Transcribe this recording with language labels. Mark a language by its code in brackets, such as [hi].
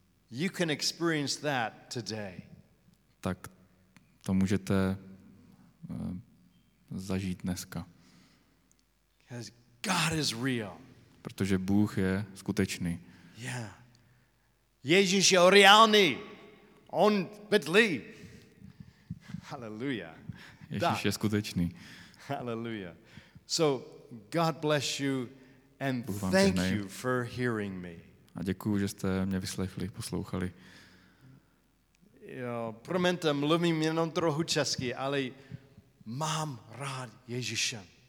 [en] You can experience that today. [cs] Tak to můžete zažít dneska. [en] Because God is real. [cs] Protože Bůh je skutečný. Yeah. Ježíš je reálný. On bydlí. Hallelujah. Ježíš je skutečný. Hallelujah. [en] So God bless you and thank you for hearing me. [cs] A děkuju, že jste mě vyslechli, poslouchali. Jo, promiňte, mluvím jenom trochu česky, ale mám rád Ježíše.